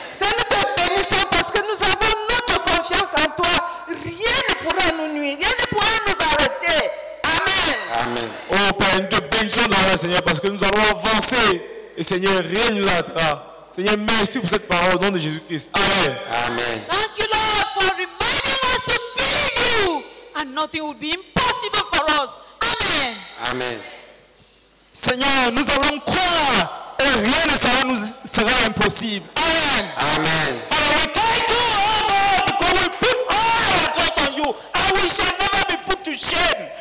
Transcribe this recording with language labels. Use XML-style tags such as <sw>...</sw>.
<fr>Seigneur, nous te bénissons parce que nous avons notre confiance en toi. Rien ne pourra nous nuire, rien ne pourra nous arrêter. Amen. Amen. Oh Père, nous te bénissons dans la Seigneur parce que nous allons avancer. Et Seigneur, rien ne nous arrêtera. Seigneur, merci pour cette parole au nom de Jésus-Christ. Amen. Amen.</fr> <en>Thank you, Lord, for reminding us to believe you, and nothing will be impossible for us. Amen. Amen.</en> <fr>Seigneur, nous allons croire et rien ne sera, nous sera impossible. Amen. Amen.</fr> <en>Father, we thank you, oh Lord, because we put all our trust on you, and we shall never be put to shame.</en>